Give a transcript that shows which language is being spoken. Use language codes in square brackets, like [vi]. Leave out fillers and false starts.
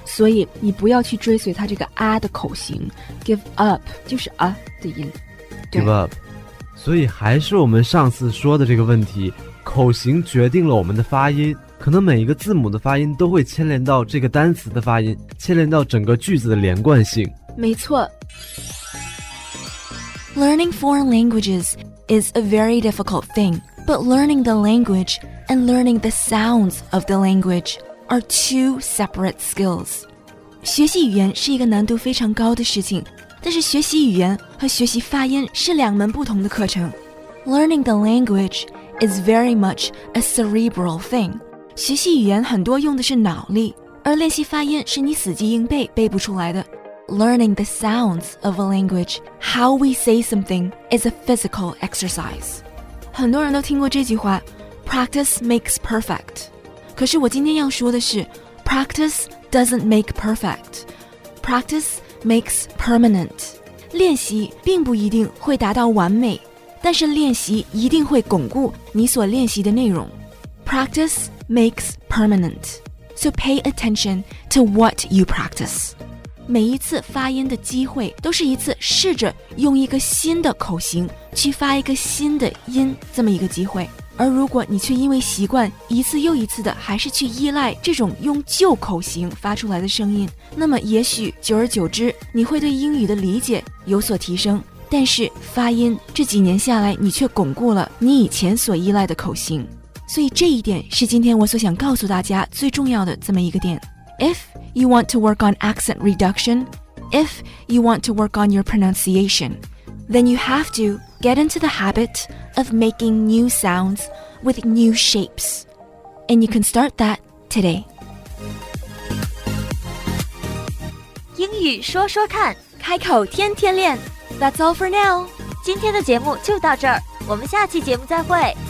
[zh] 所以你不要去追随它这个啊的口型 ， [en] give up [zh] 就是啊的音。 [en] give up。 [zh] 所以还是我们上次说的这个问题，口型决定了我们的发音，可能每一个字母的发音都会牵连到这个单词的发音，牵连到整个句子的连贯性。没错。 [en] Learning foreign languages is a very difficult thing, but learning the language and learning the sounds of the language are two separate skills. [zh] 学习语言是一个难度非常高的事情，但是学习语言和学习发音是两门不同的课程。 [en] Learning the language is very much a cerebral thing. [zh] 学习语言很多用的是脑力，而练习发音是你死记硬背背不出来的。 [en] Learning the sounds of a language, how we say something, is a physical exercise. [zh] 很多人都听过这句话， [en] practice makes perfect. [zh] 可是我今天要说的是， [en] practice doesn't make perfect. Practice makes permanent. [zh] 练习并不一定会达到完美，但是练习一定会巩固你所练习的内容。 [en] Practice makes permanent. So pay attention to what you practice. [zh] 每一次发音的机会都是一次试着用一个新的口型去发一个新的音这么一个机会，而如果你却因为习惯一次又一次的还是去依赖这种用旧口型发出来的声音，那么也许久而久之你会对英语的理解有所提升，但是发音这几年下来你却巩固了你以前所依赖的口型。所以这一点是今天我所想告诉大家最重要的这么一个点。 [en] If you want to work on accent reduction, if you want to work on your pronunciation, then you have to get into the habit of making new sounds with new shapes. And you can start that today. [zh] 英语说说看，开口天天练。 [en] That's all for now. [zh] 今天的节目就到这儿，我们下期节目再会。